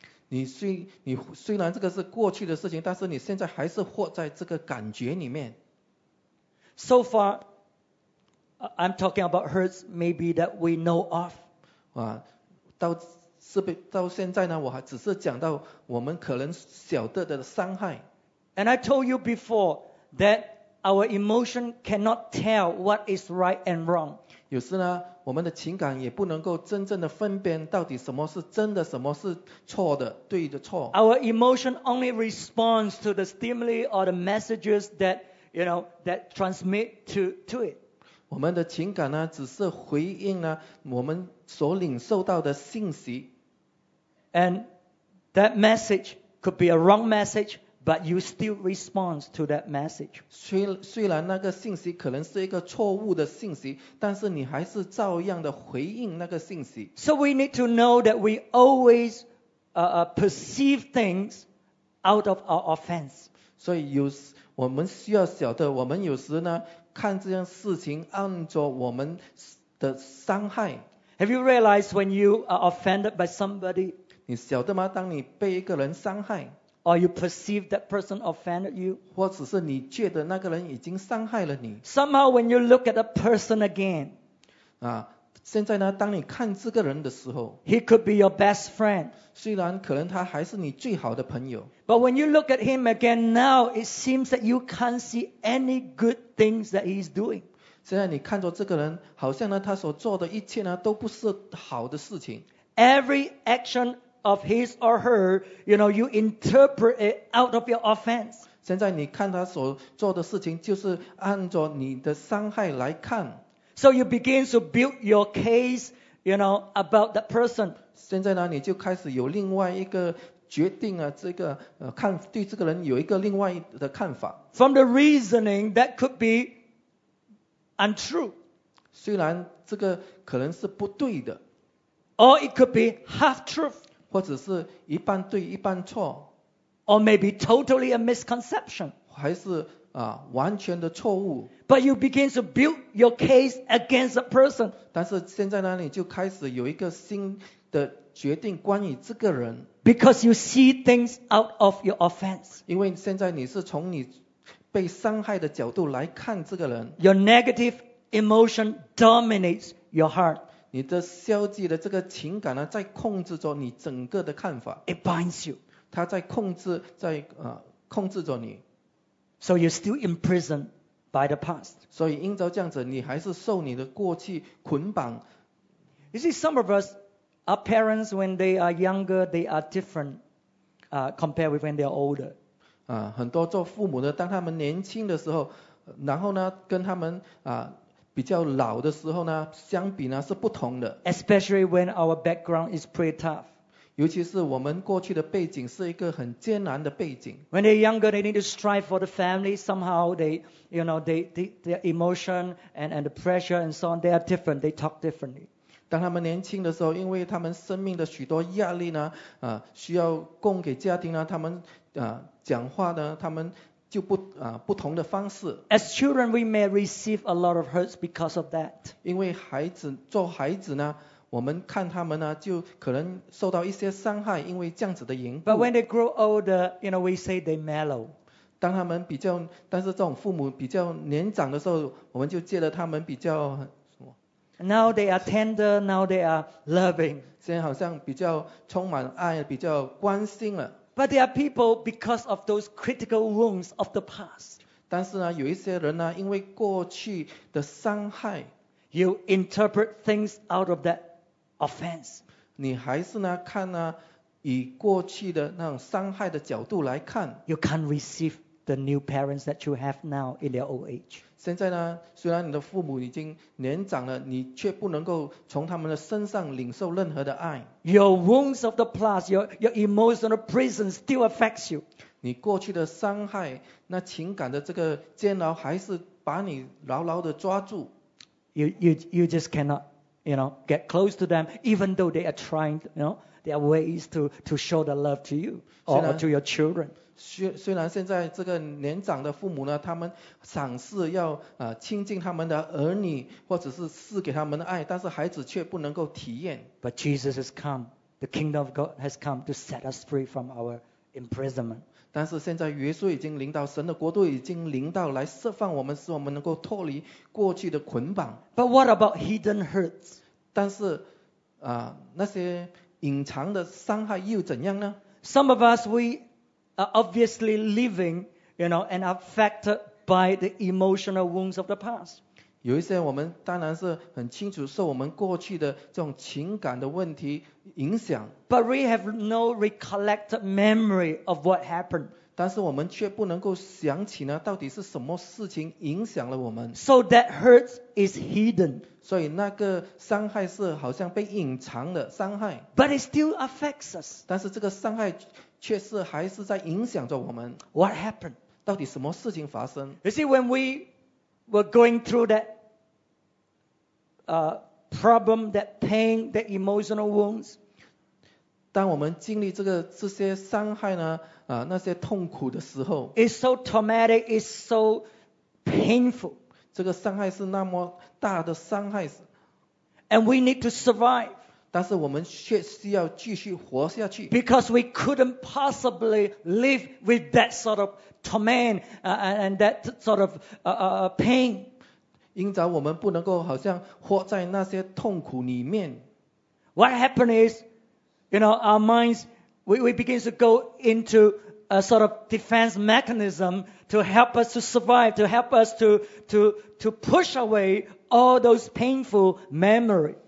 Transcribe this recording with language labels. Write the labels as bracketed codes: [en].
[zh] 你虽然这个是过去的事情，但是你现在还是活在这个感觉里面。 [en] So far, I'm talking about hurts maybe that we know of. [zh] 啊，到现在呢，我还只是讲到我们可能晓得的伤害。 [en] And I told you before that our emotion cannot tell what is right and wrong. [zh] 有时呢，我们的情感也不能够真正的分辨到底什么是真的，什么是错的，对的错。 [en] Our emotion only responds to the stimuli or the messages that you know that transmit to it. [zh] 我们的情感呢，只是回应呢我们所领受到的信息。 [en] And that message could be a wrong message. But you still respond to that message. [zh] 虽然那个信息可能是一个错误的信息，但是你还是照样的回应那个信息。 [en] So we need to know that we always perceive things out of our offense. [zh] 所以我们需要晓得，我们有时呢看这件事情按着我们的伤害。 [en] Have you realized when you are offended by somebody? [zh] 你晓得吗？当你被一个人伤害。 [en] Or you perceive that person offended you. [zh] 或者是你觉得那个人已经伤害了你。 [en] Somehow when you look at a person again. [zh] 啊，现在呢，当你看这个人的时候。 [en] He could be your best friend. [zh] 虽然可能他还是你最好的朋友。 [en] But when you look at him again now, it seems that you can't see any good things that he's doing. [zh] 现在你看着这个人，好像呢，他所做的一切呢，都不是好的事情。 [en] Every action. Of his or her, you know, you interpret it out of your offense. [zh] 现在你看他所做的事情，就是按照你的伤害来看。 [en] So you begin to build your case, you know, about that person. [zh] 现在呢，你就开始有另外一个决定啊，这个看对这个人有一个另外的看法。 [en] From the reasoning that could be untrue. [zh] 虽然这个可能是不对的。 [en] Or it could be half truth. [zh] 或者是一半对一半错 [en] ，or maybe totally a misconception， [zh] 还是啊完全的错误。 [en] But you begin to build your case against a person。 [zh] 但是现在呢，你就开始有一个新的决定关于这个人。 [en] Because you see things out of your offense。 [zh] 因为现在你是从你被伤害的角度来看这个人。 [en] Your negative emotion dominates your heart。 [zh] 你的消极的这个情感呢，在控制着你整个的看法。 [en] It binds you. [zh] 它控制着你。 [en] So you're still imprisoned by the past. [zh] 所以因着这样子，你还是受你的过去捆绑。 [en] You see, some of us, our parents, when they are younger, they are different, compared with when they are older. [zh] 啊，很多做父母的，当他们年轻的时候，然后呢，跟他们啊。比较老的时候呢，相比呢是不同的。 [en] Especially when our background is pretty tough. [zh] 尤其是我们过去的背景是一个很艰难的背景。 [en] When they're younger, they need to strive for the family. Somehow they, you know, their emotion and the pressure and so on, they are different. They talk differently. [zh] 当他们年轻的时候，因为他们生命的许多压力呢，需要供给家庭呢，他们讲话呢，他们就不同的方式。 [en] As children, we may receive a lot of hurts because of that. [zh] 因为孩子做孩子呢，我们看他们呢，就可能受到一些伤害，因为这样子的缘故。 [en] But when they grow older, you know, we say they mellow. [zh] 当他们比较，但是这种父母比较年长的时候，我们就觉得他们比较什么 [en] ？Now they are tender, now they are loving. [zh] 现在好像比较充满爱，比较关心了。 [en] But there are people because of those critical wounds of the past. [zh] 但是呢，有一些人呢，因为过去的伤害 [en] ，You interpret things out of that offense. [zh] 你还是呢看呢？以过去的那种伤害的角度来看 [en] ，You can't receive the new parents that you have now in their old age. [zh] 现在呢，虽然你的父母已经年长了，你却不能够从他们的身上领受任何的爱。 [en] Your wounds of the past, your emotional prison still affects you. [zh] 你过去的伤害，那情感的这个煎熬，还是把你牢牢的抓住。 [en] You just cannot, you know, get close to them, even though they are trying, you know. There are ways to show the love to you or to your children. [zh] 虽然现在这个年长的父母呢，他们尝试要亲近他们的儿女，或者是赐给他们的爱，但是孩子却不能够体验。 [en] But Jesus has come, the kingdom of God has come to set us free from our imprisonment. [zh] 但是现在耶稣已经临到，神的国度已经临到，来释放我们，使我们能够脱离过去的捆绑。 [en] But what about hidden hurts? [zh] 但是那些隐藏的伤害又怎样呢？ [en] Some of us, we are obviously living, you know, and affected by the emotional wounds of the past. [zh] 有一些我们当然是很清楚受我们过去的这种情感的问题影响。 [en] But we have no recollected memory of what happened. [zh] 但是我们却不能够想起呢，到底是什么事情影响了我们。 [en] So that hurt is hidden. [zh] 所以那个伤害是好像被隐藏的伤害。 [en] But it still affects us. [zh] 但是这个伤害却是还是在影响着我们。 [en] What happened? [zh] 到底什么事情发生？ [en] You see, when we were going through that problem, that pain, that emotional wounds, [zh] 当我们经历这些伤害呢，那些痛苦的时候 [en] ，It's so traumatic, it's so painful. [zh] 这个伤害是那么大的伤害 [en] ，And we need to survive. [zh] 但是我们却需要继续活下去 [en] ，Because we couldn't possibly live with that sort of torment and that sort of pain. [zh] 因着我们不能够好像活在那些痛苦里面 [en] ，What happened is, you know, our minds. We begin to go into a sort of defense mechanism to help us to survive, to help us to push away all those painful memory.